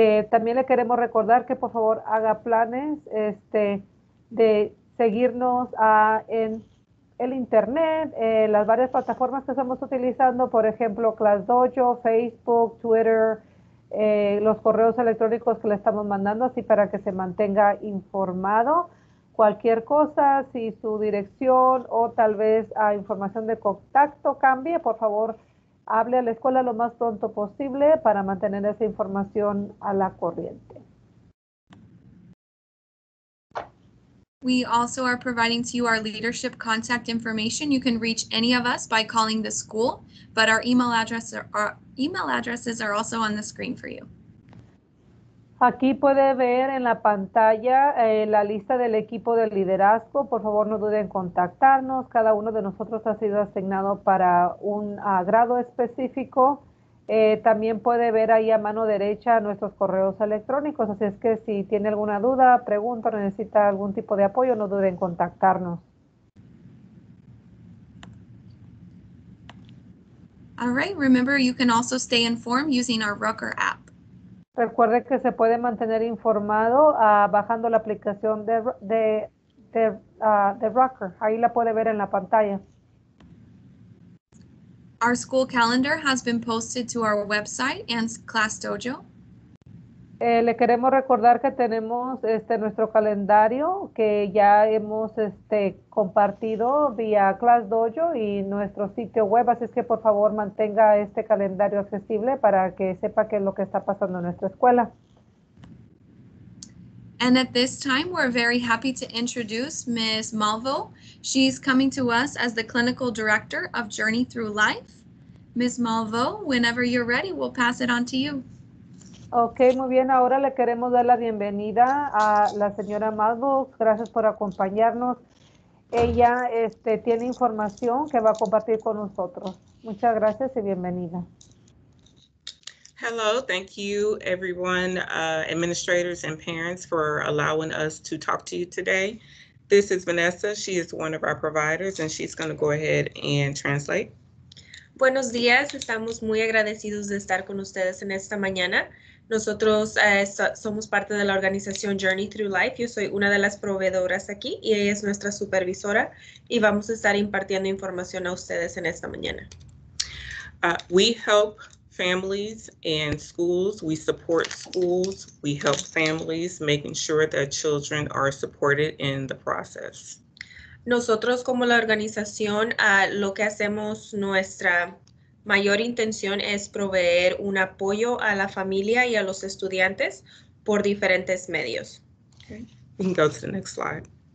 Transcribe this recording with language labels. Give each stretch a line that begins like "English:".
Spanish: También le queremos recordar que por favor haga planes de seguirnos en el internet, las varias plataformas que estamos utilizando, por ejemplo, Class Dojo, Facebook, Twitter, los correos electrónicos que le estamos mandando, así para que se mantenga informado. cualquier cosa, si su dirección o tal vez información de contacto cambie, por favor, hable a la escuela lo más pronto posible para mantener esa información a la corriente.
English: We also are providing to you our leadership contact information. You can reach any of us by calling the school, but our email addresses are also on the screen for you.
Spanish: Aquí puede ver en la pantalla la lista del equipo de liderazgo. Por favor, no duden en contactarnos. Cada uno de nosotros ha sido asignado para un grado específico. También puede ver ahí a mano derecha nuestros correos electrónicos. Así es que si tiene alguna duda, pregunta, necesita algún tipo de apoyo, no duden en contactarnos.
English: All right, remember you can also stay informed using our Rucker app.
Spanish: Recuerde que se puede mantener informado bajando la aplicación de Rucker. Ahí la puede ver en la pantalla.
English: Our school calendar has been posted to our website and Class Dojo.
Spanish: Le queremos recordar que tenemos nuestro calendario que ya hemos compartido vía Class Dojo y nuestro sitio web, así es que por favor mantenga este calendario accesible para que sepa qué es lo que está pasando en nuestra escuela.
English: And at this time, we're very happy to introduce Ms. Malvo. She's coming to us as the clinical director of Journey Through Life. Ms. Malvo, whenever you're ready, we'll pass it on to you.
Spanish: Ok, muy bien, ahora le queremos dar la bienvenida a la señora Malvo. Gracias por acompañarnos. Ella tiene información que va a compartir con nosotros. Muchas gracias y bienvenida.
English: Hello, thank you everyone, administrators and parents for allowing us to talk to you today. This is Vanessa, she is one of our providers and she's going to go ahead and translate.
Spanish: Buenos días, estamos muy agradecidos de estar con ustedes en esta mañana. Nosotros somos parte de la organización Journey Through Life. Yo soy una de las proveedoras aquí y ella es nuestra supervisora y vamos a estar impartiendo información a ustedes en esta mañana.
English: We help families and schools. We support schools. We help families making sure that children are supported in the process.
Spanish: Nosotros como la organización, lo que hacemos nuestra mayor intención es proveer un apoyo a la familia y a los estudiantes por diferentes medios.
English: Okay. You can go to the next slide.